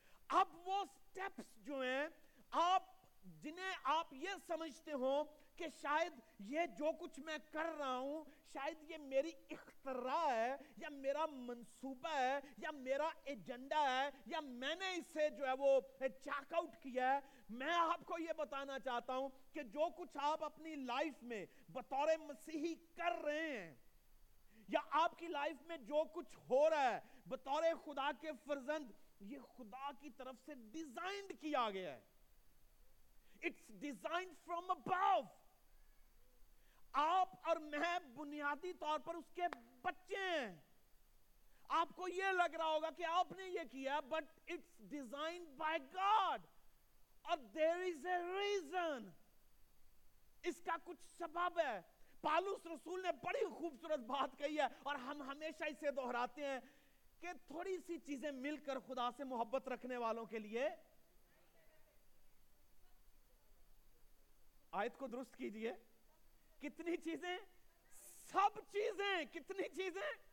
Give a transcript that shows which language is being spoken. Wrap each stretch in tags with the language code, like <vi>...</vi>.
<ur>اب وہ سٹیپس جو ہیں, آپ جنہیں آپ یہ سمجھتے ہوں کہ شاید یہ جو کچھ میں کر رہا ہوں, شاید یہ میری اختراع ہے یا میرا منصوبہ ہے یا میرا ایجنڈا ہے یا میں نے اسے جو ہے وہ چاک آؤٹ کیا ہے, میں آپ کو یہ بتانا چاہتا ہوں کہ جو کچھ آپ اپنی لائف میں بطور مسیحی کر رہے ہیں یا آپ کی لائف میں جو کچھ ہو رہا ہے بطور خدا کے فرزند, یہ خدا کی طرف سے ڈیزائنڈ کیا گیا ہے.</ur> <en>It's designed from above.</en> <ur>آپ اور میں بنیادی طور پر اس کے بچے ہیں. آپ کو یہ لگ رہا ہوگا کہ آپ نے یہ کیا,</ur> <en>but it's designed by God. اور there is a reason.</en> <ur>اس کا کچھ سبب ہے. پالوس رسول نے بڑی خوبصورت بات کہی ہے اور ہم ہمیشہ اسے دہراتے ہیں کہ تھوڑی سی چیزیں مل کر خدا سے محبت رکھنے والوں کے لیے, آیت کو درست کیجئے, کتنی چیزیں, سب چیزیں, کتنی چیزیں.</ur>